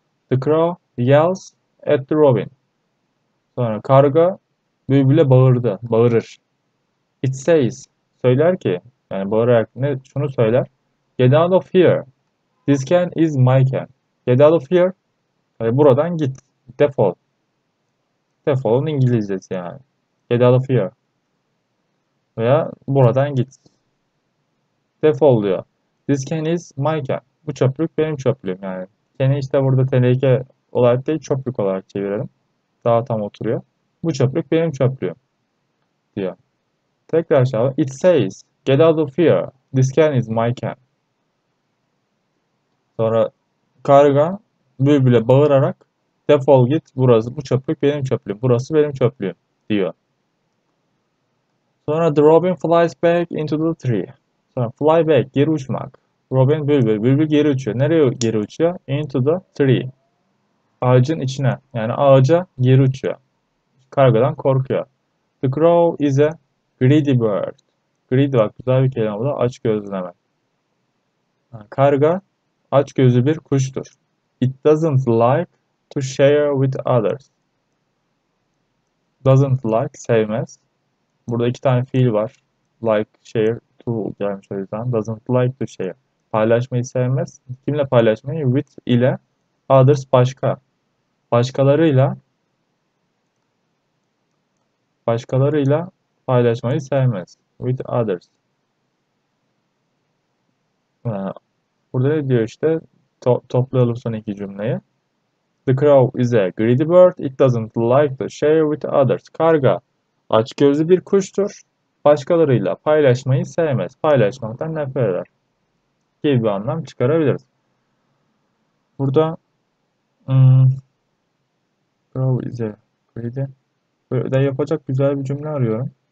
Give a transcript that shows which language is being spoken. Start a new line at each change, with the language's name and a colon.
English: The crow yells at the robin.
Turkish: Sonra karga bülbüle bağırdı. Bağırır. It says. Söyler ki. Yani bağırarak ne? Şunu söyler.
English: Get out of here. This can is my can. Get out of here.
Turkish: Yani buradan git. Defol. Defolun İngilizcesi yani.
English: Get out of here.
Turkish: Veya buradan git. Defol diyor.
English: This can is my can.
Turkish: Bu çöplük benim çöplüğüm yani. Can'i işte burada teneke olarak değil çöplük olarak çevirelim. Daha tam oturuyor. Bu çöplük benim çöplüğüm diyor. Tekrar aşağı.
English: It says, get out of here. This can is my can.
Turkish: Sonra karga bülbüle bağırarak defol git burası bu çöplük benim çöplüğüm. Burası benim çöplüğüm diyor.
English: Sonra the robin flies back into the tree.
Turkish: Sonra fly back geri uçmak. Robin bülbül geri uçuyor. Nereye geri uçuyor? Into the tree. Ağacın içine. Yani ağaca geri uçuyor. Kargadan korkuyor.
English: The crow is a greedy bird.
Turkish: Greedy bak güzel bir kelime bu da. Aç gözlü demek. Yani karga aç gözlü bir kuştur.
English: It doesn't like to share with others.
Turkish: Doesn't like, sevmez. Burada iki tane fiil var. Like, share, to gelmiş o yüzden. Doesn't like to share. Paylaşmayı sevmez. Kimle paylaşmayı? With ile. Others başka. Başkalarıyla. Başkalarıyla paylaşmayı sevmez. With others. Burada ne diyor işte? Toplayalım son iki cümleyi.
English: The crow is a greedy bird. It doesn't like to share with others.
Turkish: Karga açgözlü bir kuştur. Başkalarıyla paylaşmayı sevmez. Paylaşmaktan nefret eder. Gibi bir anlam çıkarabiliriz.
English: Burada crow is a greedy.
Turkish: Böyle de yapacak güzel bir cümle arıyorum.